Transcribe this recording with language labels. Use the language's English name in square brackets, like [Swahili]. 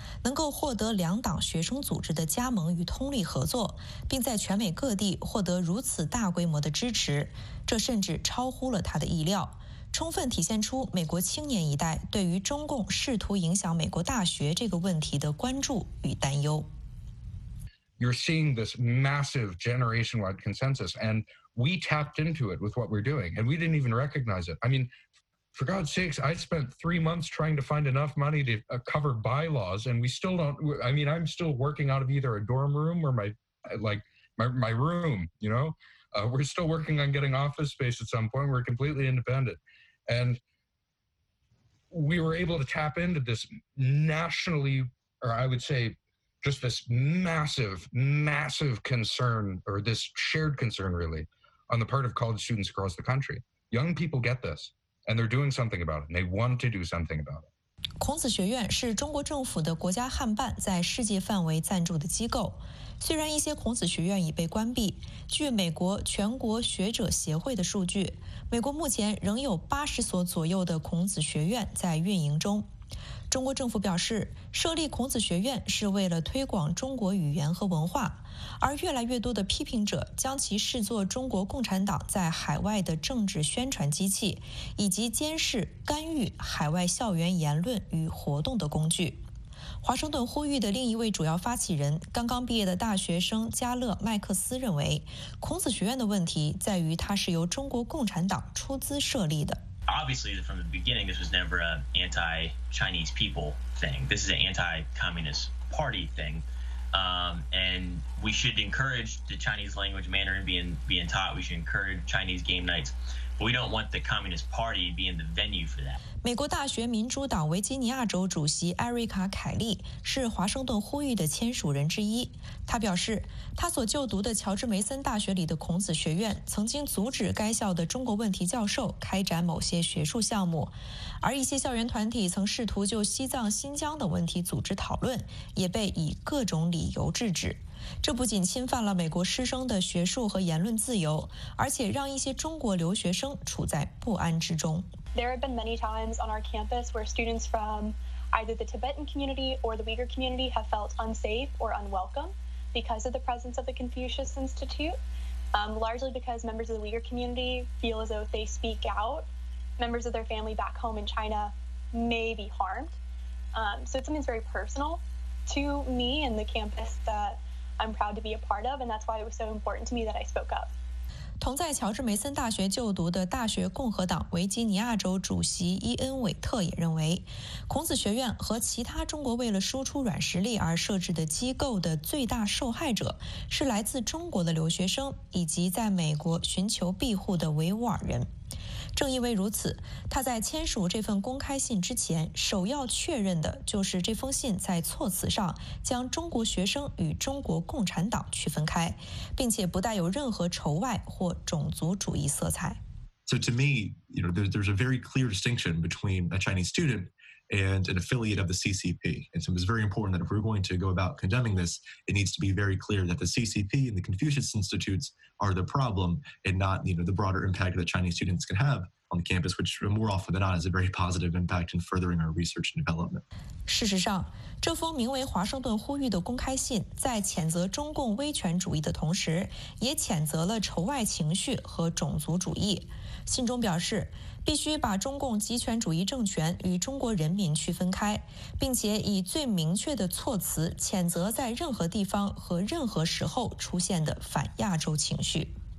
[Chinese] 能够获得两党学生组织的加盟与通力合作，并在全美各地获得如此大规模的支持，这甚至超乎了他的意料，充分体现出美国青年一代对于中共试图影响美国大学这个问题的关注与担忧。 [English] You're seeing this massive generation-wide consensus, and we tapped into it with what we're doing, and we didn't even recognize it. I mean, for God's sakes, I spent 3 months trying to find enough money to cover bylaws, and we still don't. I mean, I'm still working out of either a dorm room or my room. You know, we're still working on getting office space at some point. We're completely independent. And we were able to tap into this nationally, or I would say just this massive, massive concern, or this shared concern really, on the part of college students across the country. Young people get this, and they're doing something about it, and they want to do something about it. [Chinese] 孔子学院是中国政府的国家汉办在世界范围赞助的机构。虽然一些孔子学院已被关闭，据美国全国学者协会的数据，美国目前仍有80所左右的孔子学院在运营中。中国政府表示，设立孔子学院是为了推广中国语言和文化，而越来越多的批评者将其视作中国共产党在海外的政治宣传机器，以及监视干预海外校园言论与活动的工具。华盛顿呼吁的另一位主要发起人，刚刚毕业的大学生加勒·麦克斯认为，孔子学院的问题在于它是由中国共产党出资设立的。 [English] Obviously, from the beginning, this was never an anti-Chinese people thing. This is an anti-communist party thing. And we should encourage the Chinese language Mandarin being taught. We should encourage Chinese game nights. But we don't want the communist party being the venue for that. [Chinese] 美国大学民主党维吉尼亚州主席艾瑞卡·凯利是华盛顿呼吁的签署人之一。他表示，他所就读的乔治梅森大学里的孔子学院曾经阻止该校的中国问题教授开展某些学术项目，而一些校园团体曾试图就西藏、新疆的问题组织讨论，也被以各种理由制止。这不仅侵犯了美国师生的学术和言论自由，而且让一些中国留学生处在不安之中。 [English] There have been many times on our campus where students from either the Tibetan community or the Uyghur community have felt unsafe or unwelcome because of the presence of the Confucius Institute, largely because members of the Uyghur community feel as though if they speak out, members of their family back home in China may be harmed. So it's something very personal to me and the campus that I'm proud to be a part of, and that's why it was so important to me that I spoke up. [Chinese] 同在乔治梅森大学就读的大学共和党维吉尼亚州主席伊恩·韦特也认为，孔子学院和其他中国为了输出软实力而设置的机构的最大受害者是来自中国的留学生以及在美国寻求庇护的维吾尔人。正因为如此，他在签署这份公开信之前，首要确认的就是这封信在措辞上将中国学生与中国共产党区分开，并且不带有任何仇外或种族主义色彩。 [English] So to me, you know, there's a very clear distinction between a Chinese student and an affiliate of the CCP. And so it's very important that if we're going to go about condemning this, it needs to be very clear that the CCP and the Confucius Institutes are the problem and not, you know, the broader impact that Chinese students can have. On the campus, which more often than not is a very positive impact in furthering our research and development. [Chinese] 事实上，这封名为《华盛顿呼吁》的公开信，在谴责中共威权主义的同时，也谴责了仇外情绪和种族主义。信中表示，必须把中共极权主义政权与中国人民区分开，并且以最明确的措辞谴责在任何地方和任何时候出现的反亚洲情绪。